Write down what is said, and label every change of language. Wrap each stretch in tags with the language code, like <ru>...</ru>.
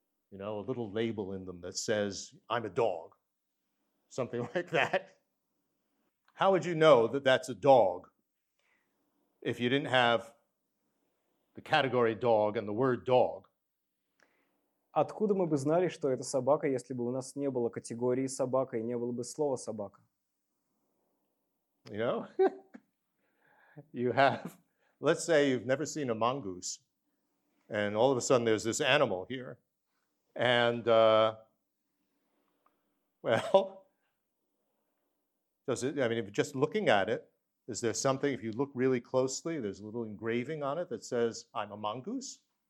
<en>You know, a little label in them that says, I'm a dog, something like that. How would you know that that's a dog if you didn't have the category dog and the word dog?</en> <ru>Откуда мы бы знали, что это собака, если бы у нас не было категории собака и не было бы слова собака?</ru> <en>You know, you have, let's say you've never seen a mongoose, and all of a sudden there's this animal here, and, well, does it, I mean, if you're just looking at it, is there something, if you look really closely, there's a little engraving on it that says, I'm a mongoose?</en>